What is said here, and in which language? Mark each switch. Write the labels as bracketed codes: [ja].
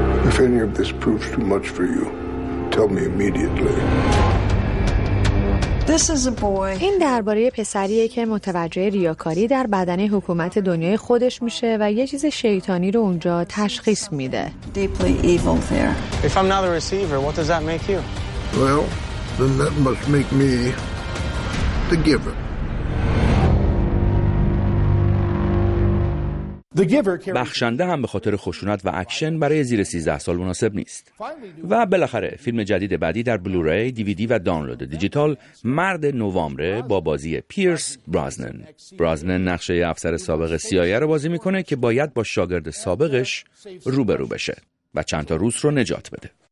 [en] If any of this proves too much for you, tell me immediately. [fa] این درباره پسریه که متوجه ریاکاری در بدنه حکومت دنیای خودش میشه و یه چیز شیطانی رو اونجا تشخیص میده. [en] If I'm not the receiver, what does that make you? Well, then that must make me the giver. [fa] بخشنده هم به خاطر خشونت و اکشن برای زیر 13 سال مناسب نیست. و بالاخره فیلم جدید بعدی در بلوری، دیویدی و دانلود دیجیتال مرد نوامبر با بازی پیرس برازنن. برازنن نقشه افسر سابق سیایه رو بازی میکنه که باید با شاگرد سابقش روبرو بشه و چند تا روس رو نجات بده.